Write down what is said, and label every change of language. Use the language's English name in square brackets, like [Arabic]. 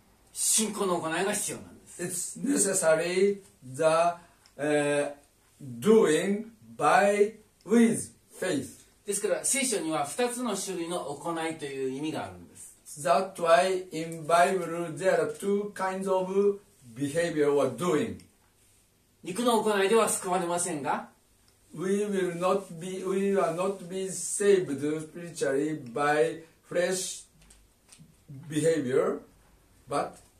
[Japanese] 信仰の行いが必要なんです。 [English] It's necessary the、doing by with faith。 [Japanese] ですから聖書には2つの種類の行いという意味があるんです。 [English] That's why in Bible there are two kinds of behavior or doing。 [Japanese] 肉の行いでは救われませんが、 [English] We will not be saved spiritually by flesh behavior, but